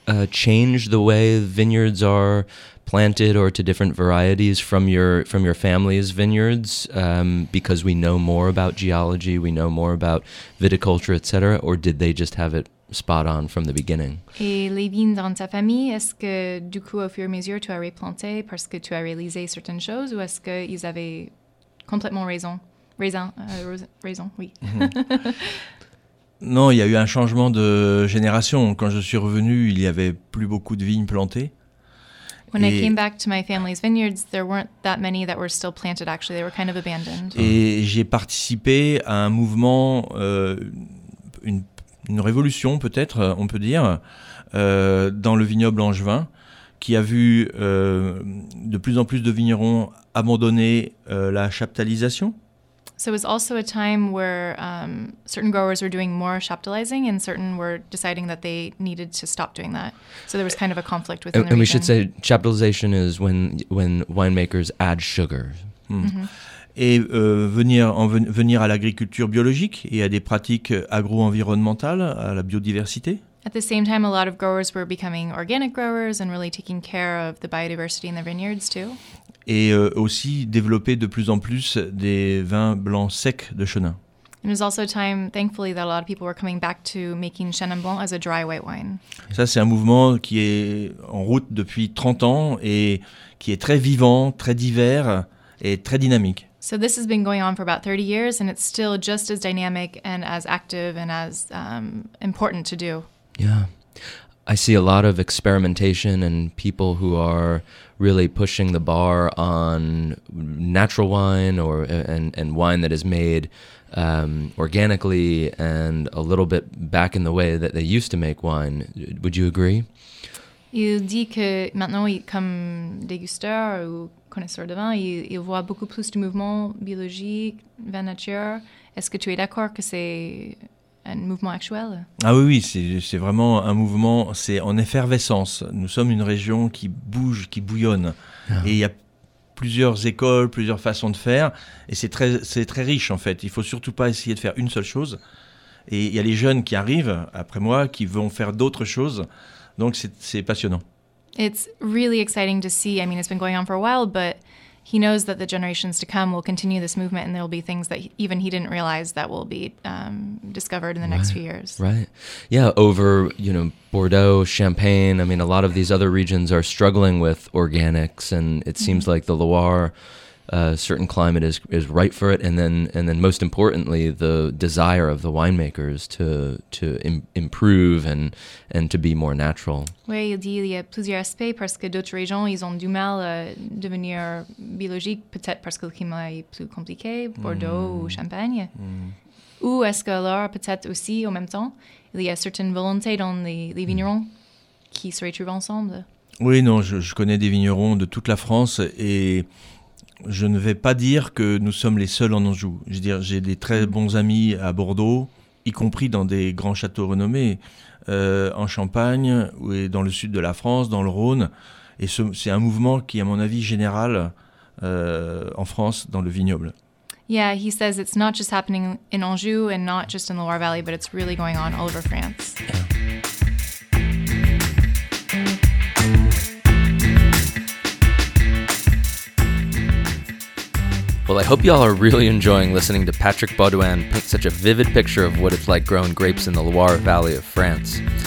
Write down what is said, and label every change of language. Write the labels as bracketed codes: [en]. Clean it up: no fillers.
[en] Changed the way vineyards are planted or to different varieties from your family's vineyards because we know more about geology, we know more about viticulture, etc., or did they just have it spot on from the beginning? [fr] Et les vignes dans ta famille, est-ce que du coup au fur et à mesure tu as replanté parce que tu as réalisé certaines choses, ou est-ce que ils avaient complètement raison, oui. Non, il y a eu un changement de génération. Quand je suis revenu, il n'y avait plus beaucoup de vignes plantées. [en] When I came back to my family's vineyards, there weren't that many that were still planted, actually. They were kind of abandoned. Et j'ai participé à un mouvement, une révolution peut-être, on peut dire, dans le vignoble angevin, qui a vu de plus en plus de vignerons abandonner la chaptalisation. So it was also a time where certain growers were doing more chaptalizing and certain were deciding that they needed to stop doing that. So there was kind of a conflict within the region. And we should say chaptalization is when winemakers add sugar. Mm. Mm-hmm. [fr] Et venir à l'agriculture biologique et à des pratiques agro-environnementales, à la biodiversité. [en] At the same time, a lot of growers were becoming organic growers and really taking care of the biodiversity in the vineyards too. [fr] Et aussi développer de plus en plus des vins blancs secs de Chenin. [en] It was also a time, thankfully, that a lot of people were coming back to making Chenin Blanc as a dry white wine. [fr] Ça, c'est un mouvement qui est en route depuis 30 ans et qui est très vivant, très divers et très dynamique. [en] So this has been going on for about 30 years and it's still just as dynamic and as active and as important to do. Yeah. I see a lot of experimentation and people who are really pushing the bar on natural wine or and wine that is made organically and a little bit back in the way that they used to make wine. Would you agree? [fr] Il dit que maintenant, comme dégusteur ou connaisseur de vin, il voit beaucoup plus de mouvement biologique, vin nature. Est-ce que tu es d'accord que c'est un mouvement actuel? Ah oui, c'est vraiment un mouvement, c'est en effervescence. Nous sommes une région qui bouge, qui bouillonne. Ah. Et il y a plusieurs écoles, plusieurs façons de faire. Et c'est très riche, en fait. Il ne faut surtout pas essayer de faire une seule chose. Et il y a les jeunes qui arrivent, après moi, qui vont faire d'autres choses. Donc c'est passionnant. [en] It's really exciting to see. I mean, it's been going on for a while, but he knows that the generations to come will continue this movement, and there will be things that even he didn't realize that will be discovered in the next few years. Right. Yeah, over, you know, Bordeaux, Champagne, I mean, a lot of these other regions are struggling with organics, and it seems like the Loire, certain climate is right for it, and then most importantly, the desire of the winemakers to improve and to be more natural. [fr] Oui, il dit il y a plusieurs aspects parce que d'autres régions ils ont du mal à devenir biologique, peut-être parce que le climat est plus compliqué, Bordeaux ou Champagne. Ou est-ce que alors peut-être aussi en même temps il y a certaines volontés dans les vignerons qui se retrouvent ensemble. Oui, non, je connais des vignerons de toute la France et je ne vais pas dire que nous sommes les seuls en Anjou. Je veux dire, j'ai des très bons amis à Bordeaux, y compris dans des grands châteaux renommés, en Champagne, ou dans le sud de la France, dans le Rhône. Et c'est un mouvement qui, à mon avis, général en France, dans le vignoble. [en] Yeah, he says it's not just happening in Anjou and not just in the Loire Valley, but it's really going on all over France. Well, I hope y'all are really enjoying listening to Patrick Baudouin paint such a vivid picture of what it's like growing grapes in the Loire Valley of France.